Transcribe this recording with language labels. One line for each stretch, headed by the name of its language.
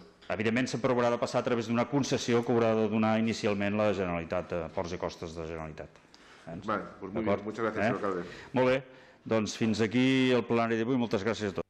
Catalan: Evidentment, sempre haurà de passar a través d'una concessió que haurà de donar inicialment la Generalitat, Ports i Costes de Generalitat.
Spanish: Vale, pues muy bien. Muchas gracias, señor alcalde.
Catalan: Molt bé. Doncs fins aquí el plenari d'avui. Moltes gràcies a tots.